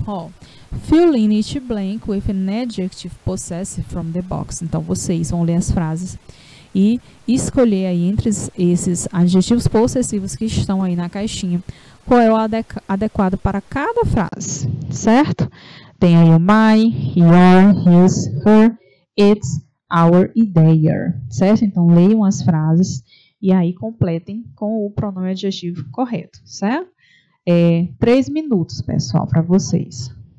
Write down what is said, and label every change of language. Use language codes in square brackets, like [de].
[en] Ó, fill in each blank with an adjective possessive from the box. [pt] Então, vocês vão ler as frases e escolher aí entre esses adjetivos possessivos que estão aí na caixinha, qual é o adequado para cada frase, certo? Tem aí o my, your, his, her, it's, our, e their, certo? Então, leiam as frases. E aí, completem com o pronome adjetivo correto, certo? É, 3 minutos, pessoal, para vocês.